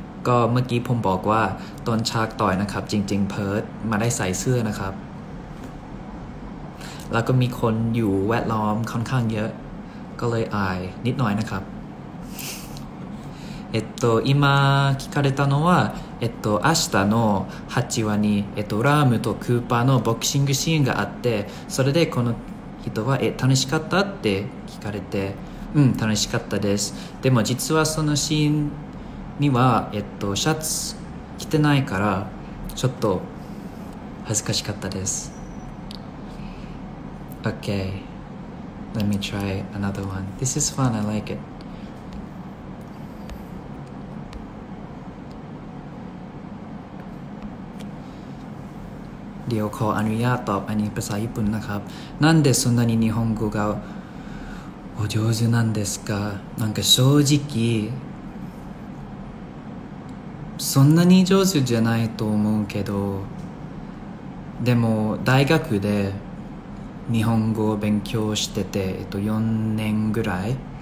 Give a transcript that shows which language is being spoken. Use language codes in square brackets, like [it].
[th] ก็เมื่อกี้ผมบอกว่าตอนฉากต่อยนะครับจริงๆเพิร์ทมาได้ใส่เสื้อนะครับ แล้วก็มีคนอยู่แวดล้อมค่อนข้างเยอะก็เลยอายนิดหน่อยนะครับ [ja] Ima聞かれたのは明日の8話にラームとクーパーのボクシングシーンがあってそれでこの人は楽しかったって聞かれてうん楽しかったですでも実はそのシーンにはシャツ着てないからちょっと恥ずかしかったです [en] Okay, let me try another one. This is fun, I like it. [th] เดี๋ยวขออนุญาตตอบอันนี้ภาษาญี่ปุ่นนะครับนั่น [ja] でそんなに日本語がお上手なんですか？なんか正直そんなに上手じゃないと思うけど、でも大学で日本語を勉強してて、4年ぐらい。